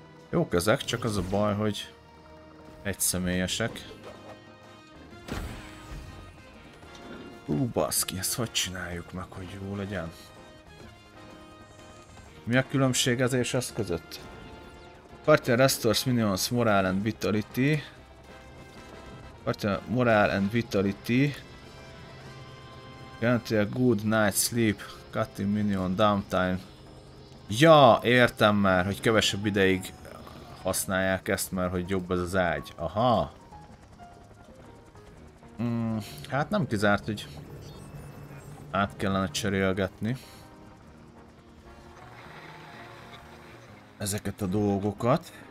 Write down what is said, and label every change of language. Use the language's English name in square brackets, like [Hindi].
[Hungarian] Jók ezek, csak az a baj, hogy egyszemélyesek. Ú, baszki, ezt hogy csináljuk meg, hogy jó legyen? Mi a különbség ez és ez között? [English] Partner restores minions morale and vitality. Partner morale and vitality. Guarantee a good night sleep. Cutting minion downtime. [Hungarian] Ja, értem már, hogy kevesebb ideig használják ezt, mert hogy jobb ez az ágy. Aha. Hát nem kizárt, hogy át kellene cserélgetni ezeket a dolgokat.